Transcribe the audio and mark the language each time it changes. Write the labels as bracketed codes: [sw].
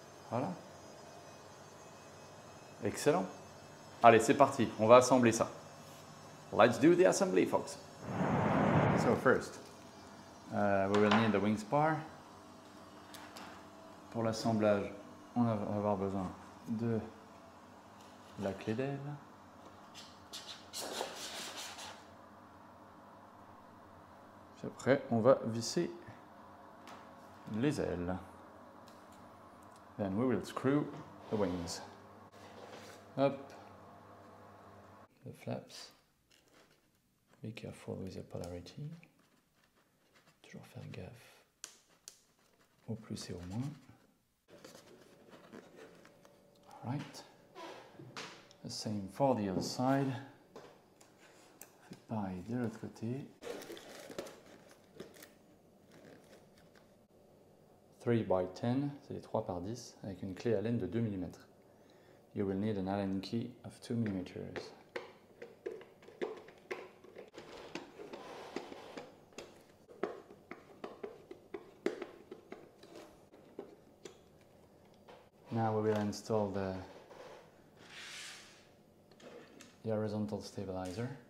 [fr] Voilà. Excellent. Allez, c'est parti. On va assembler ça. [en] Let's do the assembly, folks. So first, we will need the wing spar. [fr] Pour l'assemblage, on va avoir besoin de la clé d'aile. Puis après, on va visser les ailes. [en] Then we will screw the wings. Hop. The flaps. Be careful with the polarity. [fr] Toujours faire gaffe au plus et au moins. [en] Right, the same for the other side. [fr] Fait pareil de l'autre côté. [en] Three by 10, [fr] c'est les 3 par 10, avec une clé Allen de 2 mm. [en] You will need an Allen key of 2 mm. Now we will install the horizontal stabilizer.